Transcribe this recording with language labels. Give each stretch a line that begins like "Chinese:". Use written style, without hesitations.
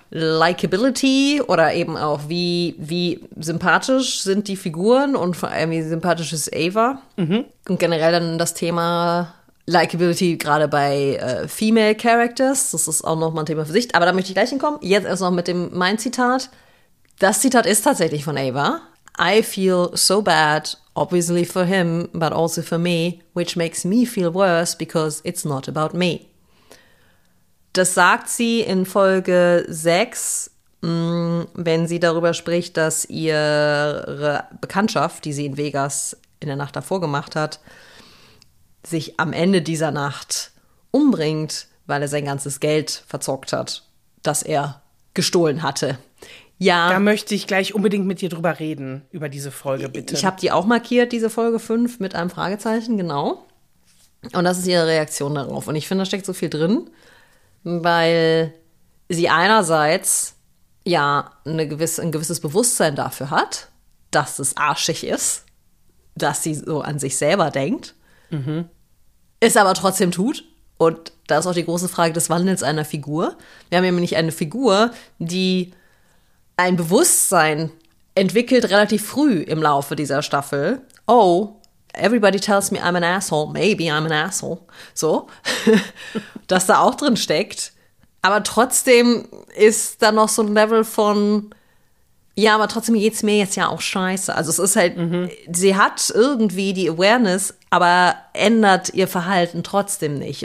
German: Likeability oder eben auch, wie sympathisch sind die Figuren und vor allem, wie sympathisch ist Ava. Mhm. Und generell dann das Thema Likeability gerade bei Female Characters, das ist auch nochmal ein Thema für sich. Aber da möchte ich gleich hinkommen. Jetzt erst noch mit dem mein Zitat. Das Zitat ist tatsächlich von Ava.
English: I feel so bad, obviously for him, but also for me, which makes me feel worse because it's not about me.
German: Das sagt sie in Folge 6, wenn sie darüber spricht, dass ihre Bekanntschaft, die sie in Vegas in der Nacht davor gemacht hat, sich am Ende dieser Nacht umbringt, weil er sein ganzes Geld verzockt hat, das er gestohlen hatte. Ja. Da möchte ich gleich unbedingt mit dir drüber reden, über diese Folge, bitte. Ich habe die auch markiert, diese Folge 5, mit einem Fragezeichen, genau. Und das ist ihre Reaktion darauf. Und ich finde, da steckt so viel drin, weil sie einerseits ja ein gewisses Bewusstsein dafür hat, dass es arschig ist, dass sie so an sich selber denkt, es aber trotzdem tut. Und da ist auch die große Frage des Wandels einer Figur. Wir haben nämlich eine Figur, die ein Bewusstsein entwickelt relativ früh im Laufe dieser Staffel.
English: Oh, everybody tells me I'm an asshole. Maybe I'm an asshole.
German: So, dass da auch drin steckt. Aber trotzdem ist da noch so ein Level von, ja, aber trotzdem geht's mir jetzt ja auch scheiße. Also es ist halt, sie hat irgendwie die Awareness, aber ändert ihr Verhalten trotzdem nicht.